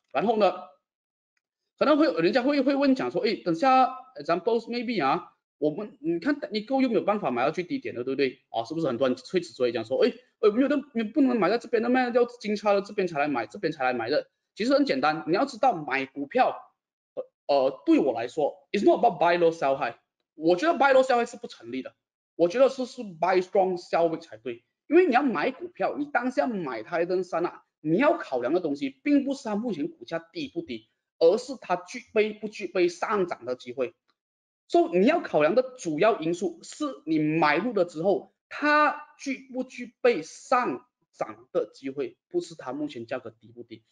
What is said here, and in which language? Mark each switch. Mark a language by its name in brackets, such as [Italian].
[Chinese] 然后呢，可能会有人家会问讲说，哎，等下 [English] examples maybe [Chinese] 啊，我们你看 technical 又没有办法买到最低点的，对不对？哦，是不是很多人会执着于讲说，哎，我没有的，你不能买在这边的吗？要金叉的这边才来买，这边才来买的。其实很简单，你要知道买股票。对我来说 [English] ，it's not about buy low sell high。 [Chinese] 我觉得 [English] buy low sell high [Chinese] 是不成立的。我觉得是 [English] buy strong sell weak [Chinese] 才对。因为你要买股票，你当下买它一登三啊，你要考量的东西并不是它目前股价低不低，而是它具备不具备上涨的机会。所以你要考量的主要因素是你买入了之后，它具不具备上涨的机会，不是它目前价格低不低。